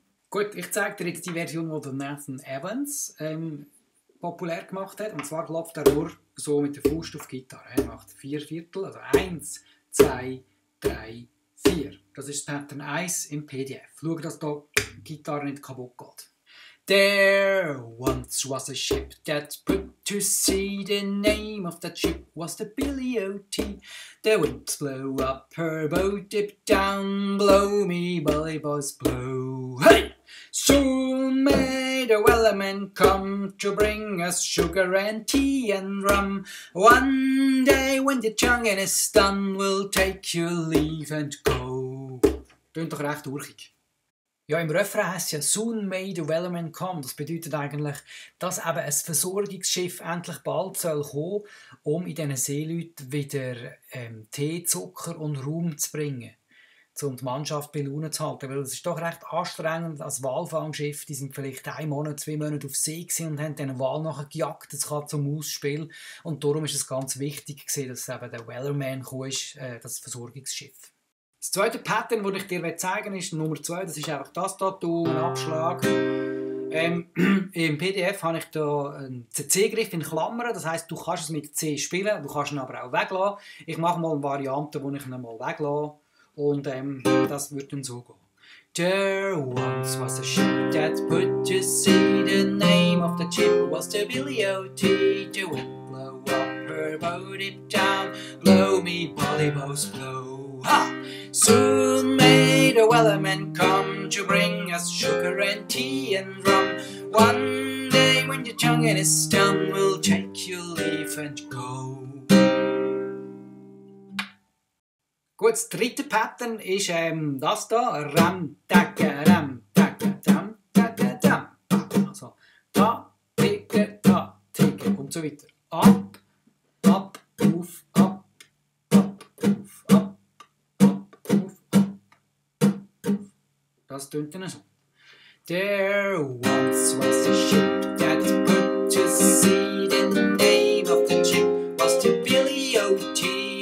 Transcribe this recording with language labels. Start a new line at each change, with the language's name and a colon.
German: Gut, ich zeige dir jetzt die Version, die Nathan Evans populär gemacht hat. Und zwar klopft er nur so mit der Faust auf die Gitarre. Er macht 4 Viertel, also 1, 2, 3, 4. Das ist Pattern 1 im PDF. Schau, dass da die Gitarre nicht kaputt geht.
English: There once was a ship that put to sea. The name of that ship was the Billy O.T. The winds blow up her boat, dip down, blow me, bully boys, blow. Hey! Soon may the wellerman come to bring us sugar and tea and rum. One day when the chugging is done, we'll take your leave and go.
German: Tönt doch recht urchig. Ja, im Refrain heißt es ja
English: Soon may the wellerman come.
German: Das bedeutet eigentlich, dass eben ein Versorgungsschiff endlich bald soll kommen, um in diesen Seeleuten wieder Tee, Zucker und Rum zu bringen, um die Mannschaft bei Laune zu halten. Weil es ist doch recht anstrengend als Walfangschiff. Die sind vielleicht ein Monat, zwei Monate auf See gewesen und haben dann eine Wal nachher gejagt, das gerade zum Ausspiel. Und darum ist es ganz wichtig gewesen, dass eben der Wellerman gekommen ist, das Versorgungsschiff. Das zweite Pattern, das ich dir zeigen will, ist Nummer 2. Das ist einfach das hier, ein Abschlag. Im PDF habe ich hier einen CC-Griff in Klammern. Das heisst, du kannst es mit C spielen, du kannst ihn aber auch weglassen. Ich mache mal eine Variante, wo ich ihn mal weglasse. Und das wird dann so gehen.
English: There once was a ship that put to sea. The name of the ship was the Billy O.T. The wind blow up her boat, dip down, blow me, bollyboes, blow. Ha! Soon may the wellerman come to bring us sugar and tea and rum. One day when your tongue is dumb, we'll take your leave and go.
German: Gut, das dritte Pattern ist das hier. Ram, tagga, ram, tagga, dam, tagga, dam. Also, da, ticke, da, ticke. Und so weiter. Ab, ab, auf, ab, ab, auf, ab, ab, auf, ab, auf. Das tönt dann so.
English: There once was a ship that put to sea. The name of the ship was the Billy O.T.